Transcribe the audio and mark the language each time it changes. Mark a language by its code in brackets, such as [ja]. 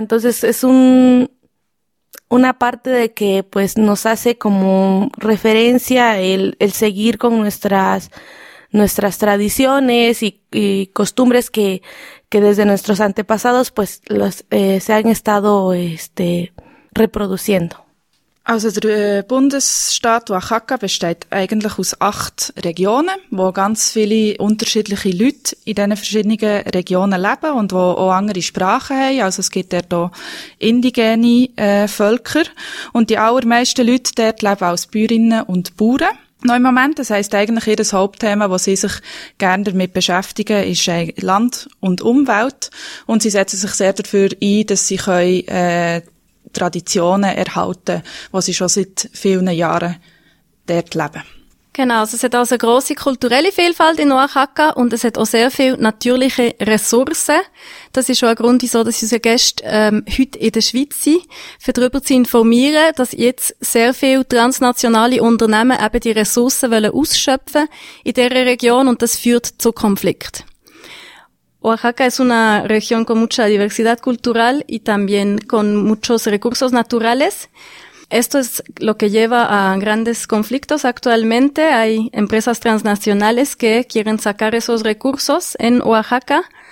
[es] Entonces, es una parte de que, pues, nos hace como referencia el seguir con nuestras tradiciones y costumbres que desde nuestros antepasados, pues, se han estado, reproduciendo. [de] Also der Bundesstaat Oaxaca besteht eigentlich aus 8 Regionen, wo ganz viele unterschiedliche Leute in diesen verschiedenen Regionen leben und wo auch andere Sprachen haben. Also es gibt dort auch indigene Völker und die allermeisten Leute dort leben als Bäuerinnen und Bauern. Noch im Moment, das heisst eigentlich ihr Hauptthema, das sie sich gerne damit beschäftigen, ist Land und Umwelt. Und sie setzen sich sehr dafür ein, dass sie können Traditionen erhalten, die sie schon seit vielen Jahren dort leben. Genau, es hat also eine grosse kulturelle Vielfalt in Oaxaca und es hat auch sehr viele natürliche Ressourcen. Das ist schon ein Grund, wieso unsere Gäste heute in der Schweiz sind, um darüber zu informieren, dass jetzt sehr viele transnationale Unternehmen eben die Ressourcen ausschöpfen wollen in dieser Region und das führt zu Konflikten. [es] Oaxaca es una región con mucha diversidad cultural y también con muchos recursos naturales. Esto es lo que lleva a grandes conflictos actualmente. Hay empresas transnacionales que quieren sacar esos recursos en Oaxaca.